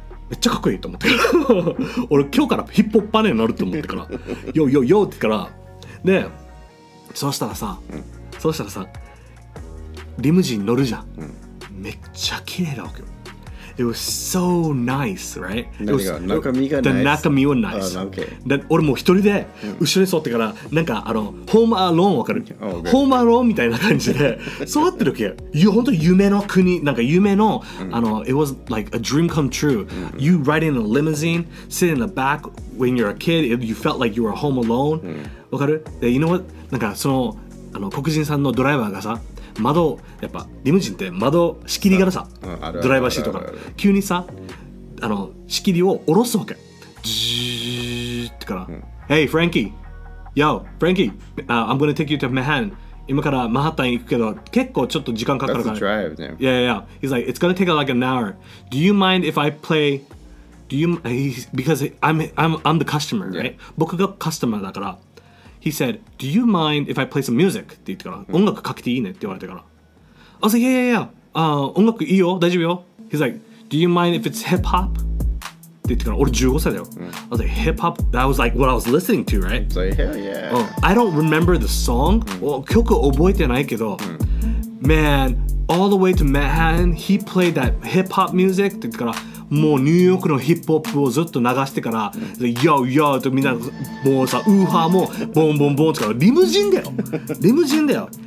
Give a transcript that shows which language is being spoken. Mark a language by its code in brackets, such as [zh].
[ja] めっちゃかっこいいと思ってから俺今日からヒップホッパーになると思ってからヨーヨーヨーってからで、そうしたらさ、そうしたらさリムジン乗るじゃん、めっちゃ綺麗だわけよ。 [en] It was so nice, right? [ja] 何が中身がナイス、中身はナイス、俺もう一人で後ろに座ってから、なんかあのホームアローン、わかる、ホームアローンみたいな感じで座ってるわけよ。本当に夢の国、なんか夢の、あの [en] It was like a dream come true. You ride in a limousine, sit in the back when you're a kid, you felt like you were home alone. [ja] わかる？で、 [en] You know what? [ja] なんかその、あの黒人さんのドライバーがさ、窓、やっぱリムジンって窓仕切りがさ、ドライバーシートが急にさ、あの仕切りを下ろすわけ、ジーってから、 [en] Hey Frankie, Yo Frankie, I'm gonna take you to Manhattan. [ja] 今からマンハッタン行くけど、結構ちょっと時間かかるから、 [en] That's a drive, man. Yeah, yeah, yeah. He's like, it's gonna take like an hour. Do you mind if I play? Do you because I'm the customer, right? Yeah. [ja] 僕がカスタマーだから。 [en] He said, do you mind if I play some music? [ja] って言ってから、音楽かけていいねって言われてから。 [en] I was like, yeah, yeah, yeah. [ja] 音楽いいよ、大丈夫よ。 [en] He's like, do you mind if it's hip-hop? [ja] って言ってから、俺15歳だよ。 [en] I was like, hip-hop? That was like what I was listening to, right? It's like, hell yeah. I don't remember the song. [ja] 曲覚えてないけど。 [en] Man, all the way to Manhattan, he played that hip-hop music. [ja] って言ってから、もうニューヨークのヒップホップをずっと流してから、ヨーヨーとみんな、もうさ、ウーハーもボンボンボンとか、リムジンだよ、リムジンだよ。